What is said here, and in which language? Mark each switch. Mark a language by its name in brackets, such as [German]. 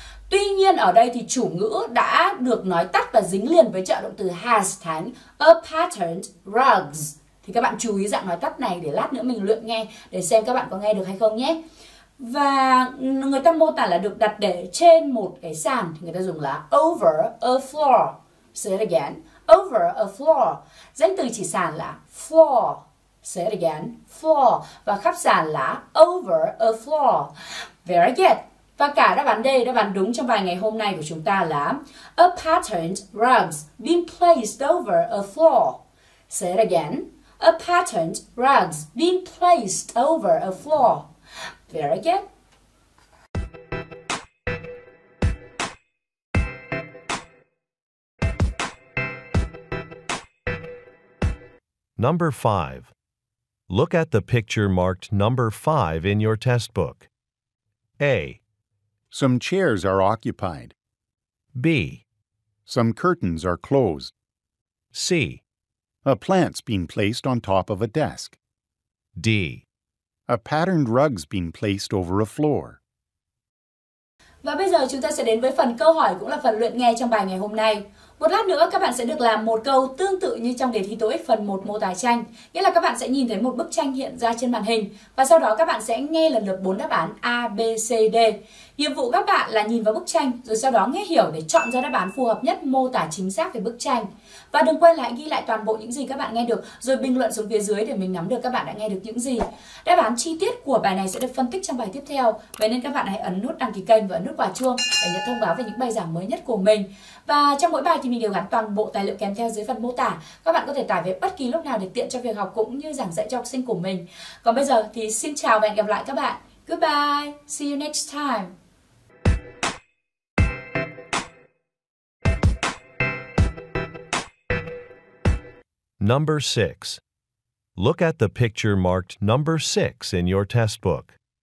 [Vietnamese] Tuy nhiên ở đây thì chủ ngữ đã được nói tắt và dính liền với trợ động từ has thành [English] a patterned rugs. [Vietnamese] Thì các bạn chú ý dạng nói tắt này để lát nữa mình luyện nghe để xem các bạn có nghe được hay không nhé. Và người ta mô tả là được đặt để trên một cái sàn thì người ta dùng là [English] over a floor. Say it again, over a floor. [Vietnamese] Danh từ chỉ sàn là floor. [English] Say it again, floor. [Vietnamese] Và khắp sàn là [English] over a floor. Very good. [Vietnamese] Và cả đáp án D, đáp án đúng trong bài ngày hôm nay của chúng ta là [English] a patterned rugs being placed over a floor. Say it again, a patterned rugs being placed over a floor. Very good. Number 5. Look at the picture marked number 5 in your test book. A. Some chairs are occupied. B. Some curtains are closed. C. A plant's been placed on top of a desk. D. A patterned rug's been placed over a floor. [Vietnamese] Và bây giờ chúng ta sẽ đến với phần câu hỏi cũng là phần luyện nghe trong bài ngày hôm nay. Một lát nữa các bạn sẽ được làm một câu tương tự như trong đề thi TOEIC phần 1 mô tả tranh. Nghĩa là các bạn sẽ nhìn thấy một bức tranh hiện ra trên màn hình và sau đó các bạn sẽ nghe lần lượt 4 đáp án A, B, C, D. Nhiệm vụ các bạn là nhìn vào bức tranh rồi sau đó nghe hiểu để chọn ra đáp án phù hợp nhất mô tả chính xác về bức tranh. Và đừng quên là hãy ghi lại toàn bộ những gì các bạn nghe được rồi bình luận xuống phía dưới để mình nắm được các bạn đã nghe được những gì. Đáp án chi tiết của bài này sẽ được phân tích trong bài tiếp theo. Vậy nên các bạn hãy ấn nút đăng ký kênh và ấn nút quả chuông để nhận thông báo về những bài giảng mới nhất của mình. Và trong mỗi bài thì mình đều gắn toàn bộ tài liệu kèm theo dưới phần mô tả. Các bạn có thể tải về bất kỳ lúc nào để tiện cho việc học cũng như giảng dạy cho học sinh của mình. Còn bây giờ thì xin chào và hẹn gặp lại các bạn. [English] Goodbye, see you next time. Number 6. Look at the picture marked number 6 in your test book.